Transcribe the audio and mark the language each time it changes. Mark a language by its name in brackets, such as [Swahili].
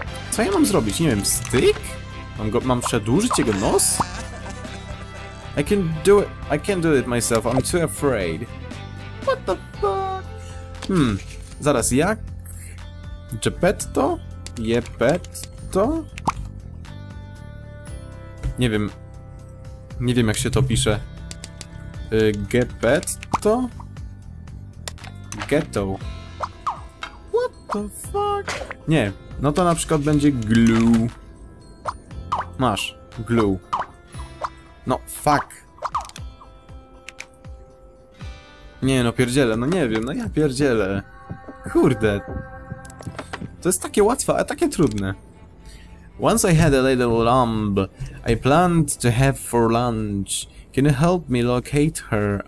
[Polish] Co ja mam zrobić? Nie wiem. Styk? Mam przedłużyć jego nos? [English] I can't do it myself, I'm too afraid. What the fuck? [Polish] Hmm, zaraz, jak? Geppetto? Geppetto? Nie wiem. Nie wiem, jak się to pisze. Geppetto? Ghetto. [English] What the fuck? [Polish] Nie, no to na przykład będzie glue. Masz, glue. No, fuck. Nie, no pierdzielę, no nie wiem, no ja pierdzielę. Kurde. To jest takie łatwe, a takie trudne. [English] Once I had a little lamb, I planned to have for lunch. Can you help me locate her?